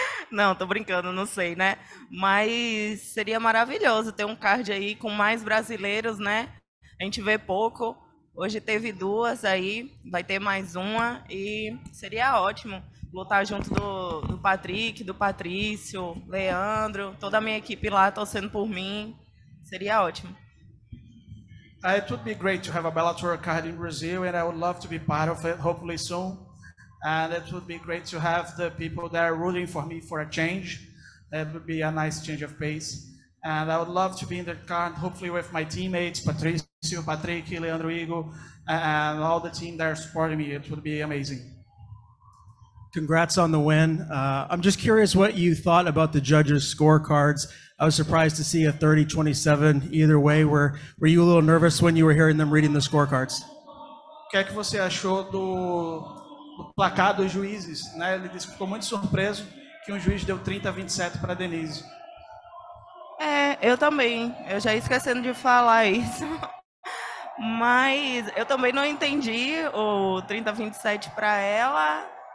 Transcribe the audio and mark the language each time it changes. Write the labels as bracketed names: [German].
[Portuguese] Não, tô brincando, não sei, né? Mas seria maravilhoso ter um card aí com mais brasileiros, né? A gente vê pouco. Hoje teve duas aí, vai ter mais uma. E seria ótimo lutar junto do Patrick, do Patrício, Leandro, toda a minha equipe lá torcendo por mim. Seria ótimo. [English] It would be great to have a Bellator card in Brazil, and I would love to be part of it, hopefully soon. And it would be great to have the people that are rooting for me for a change. It would be a nice change of pace. And I would love to be in the card, hopefully with my teammates, Patricio, Patrick, Leandro Igo, and all the team that are supporting me. It would be amazing. Congrats on the win. I'm just curious what you thought about the judges' scorecards. I was surprised to see a 30-27 either way. Were you a little nervous when you were hearing them reading the scorecards? [Portuguese] O que é que você achou do placar dos juízes, né? Ele disse que ficou muito surpreso que um juiz deu 30-27 para Denise. É, eu também. Eu já ia esquecendo de falar isso. Mas eu também não entendi o 30-27 para ela.